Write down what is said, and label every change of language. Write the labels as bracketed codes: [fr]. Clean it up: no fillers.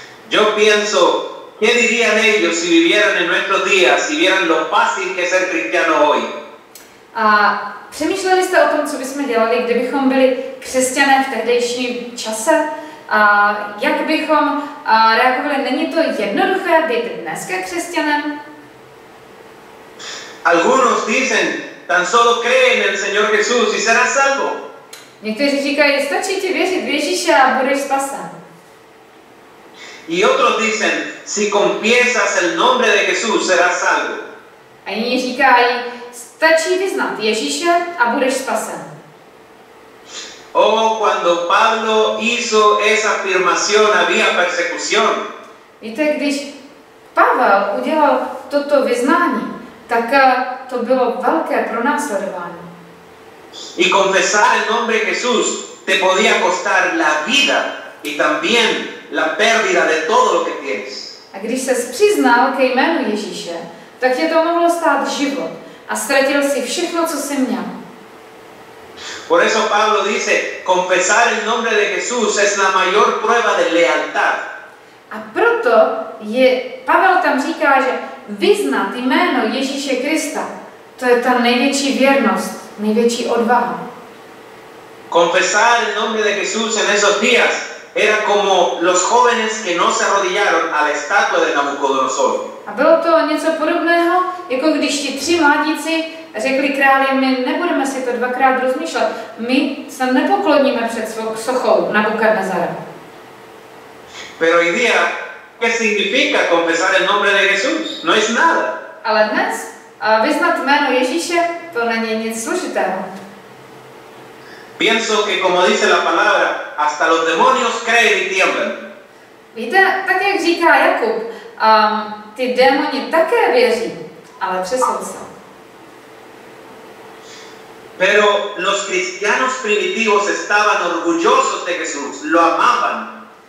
[es] Yo pienso, ¿qué dirían ellos si vivieran en nuestros días, si vieran lo fácil que es ser cristiano hoy? [cs] A přemýšleli jste o tom, co bychom dělali, kdybychom byli křesťané v tehdejším čase? A jak bychom reagovali? Není to jednoduché být dneska křesťanem? [es] Algunos dicen, tan solo creen en el Señor Jesús y serás salvo. [cs] Někteří říkají, stačí ti věřit v Ježíše a budeš spasen. [es] Y otros dicen, si confiesas el nombre de Jesús, serás salvo. [cs] A jiní říkají, stačí vyznat Ježíše a budeš spasen. [es] Oh, cuando Pablo hizo esa afirmación, había persecución. [cs] Víte, když Pavel udělal toto vyznání, tak to bylo velké pronásledování. [es] Y confesar el nombre de Jesús te podía costar la vida. y también la pérdida de todo lo que tienes. [cs] A když ses přiznal ke jménu Ježíše, tak tě to mohlo stát život a ztratil si všechno, co jsi měl. [es] Por eso Pablo dice, confesar el nombre de Jesús es la mayor prueba de lealtad. [cs] A proto je, Pavel tam říká, že vyznat jméno Ježíše Krista, to je ta největší věrnost, největší odvaha. [es] Confesar el nombre de Jesús en esos días era como los jóvenes que no se arrodillaron a la estatua de Nabucodonosor. [cs] A bylo to něco podobného, jako když ti tři mládíci řekli králi, my nebudeme si to dvakrát rozmýšlet, my se nepokloníme před svou sochou Nabukadnezara. [es] Pero hoy día, ¿qué significa confesar el nombre de Jesús? No es nada. [cs] Ale dnes, vyznat jméno Ježíše, to není nic složitého. [es] Pienso que como dice la palabra, hasta los demonios creen y tiemblan. [cs] Víte, tak jak říká Jakub, ty démoni také věří, ale přesou se. [es] Pero los cristianos primitivos estaban orgullosos de Jesús, lo amaban.